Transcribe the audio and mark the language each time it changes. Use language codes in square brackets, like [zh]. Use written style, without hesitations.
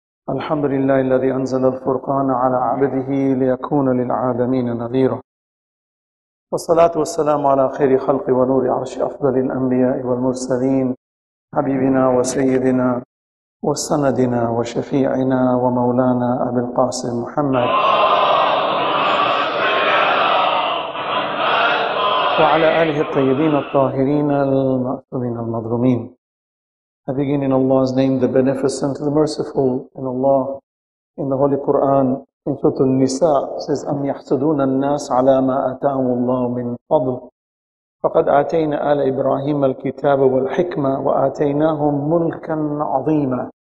[ar] الحمد لله الذي أنزل الفرقان على عبده ليكون للعالمين نذيرا والصلاة والسلام على خير خلق ونور عرش أفضل الأنبياء والمرسلين حبيبنا وسيدنا وسندنا وشفيعنا ومولانا أبي القاسم محمد وعلى آله الطيبين الطاهرين المأثومين المظلومين. [en] I begin in Allah's name, the Beneficent, the Merciful. In Allah, in the Holy Quran, in Surah An-Nisa, says, [ar] أَمْ يَحْسُدُونَ النَّاسَ عَلَى مَا أَتَاهُمُ اللَّهُ مِنْ فَضْلٍ فَقَدْ آتَيْنَا آلَ إِبْرَاهِيمَ الْكِتَابَ وَالْحِكْمَةَ وَآتَيْنَاهُمْ مُلْكًا عَظِيمًا.